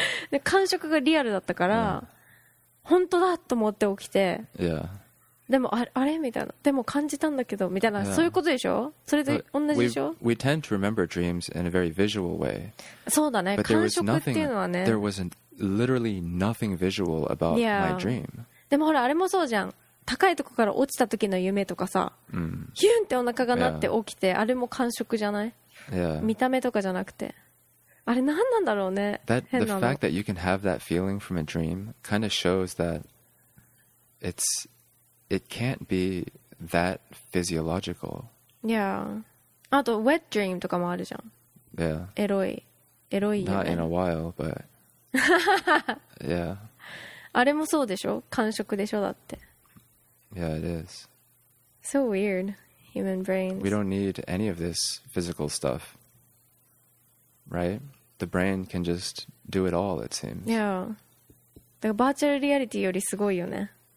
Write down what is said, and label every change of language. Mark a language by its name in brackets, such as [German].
[Japanese] で、感触がリアルだったから、本当だと思って起きて、でもあれみたいな、でも感じたんだけどみたいな、そういうことでしょ？それで同じでしょ？ [English] We tend to remember dreams in a very visual way. [Japanese] そうだね、感触っていうのはね。 [English] There was literally nothing visual about my dream. [Japanese] でもほらあれもそうじゃん、高いとこから落ちた時の夢とかさ、ヒュンってお腹が鳴って起きて、あれも感触じゃない？見た目とかじゃなくて。あれ何なんだろうね。 [English] That, [Japanese] 変なの。 [English] The fact that you can have that feeling from a dream kind of shows that it can't be that physiological. Yeah. [Japanese] あと wet dream とかもあるじゃん。 [English] Yeah. [Japanese] エロい夢。 [English] Not in a while, but. yeah. [Japanese] あれもそうでしょ？感触でしょ？だって。 [English] Yeah, it is. So weird, human brains. We don't need any of this physical stuff, right? The brain can just do it all, it seems. Yeah. [Japanese] だからバーチャルリアリティよりすごいよね。